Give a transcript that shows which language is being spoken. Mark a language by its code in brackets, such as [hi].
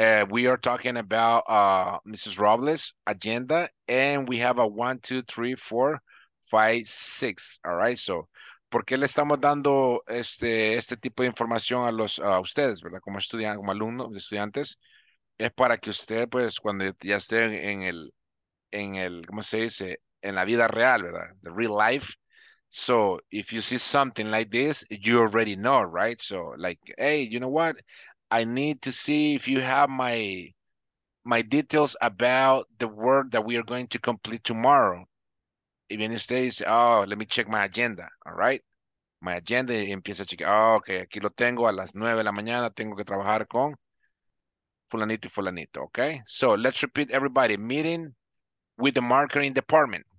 [en] We are talking about Mrs. Robles' agenda, and we have a 1, 2, 3, 4, 5, 6. All right, so, [es] ¿por qué le estamos dando este tipo de información a los a ustedes, verdad? Como estudiantes, como alumnos, estudiantes, es para que usted, pues, cuando ya esté en el, ¿cómo se dice? En la vida real, ¿verdad? [en] The real life. So, if you see something like this, you already know, right? So, like, hey, you know what? I need to see if you have my details about the work that we are going to complete tomorrow. Even if they say, oh, let me check my agenda, all right? My agenda, [es] y empieza a chequear, oh, okay, aquí lo tengo a las 9 de la mañana, tengo que trabajar con fulanito y fulanito, okay? [en] So, let's repeat everybody, meeting with the marketing department.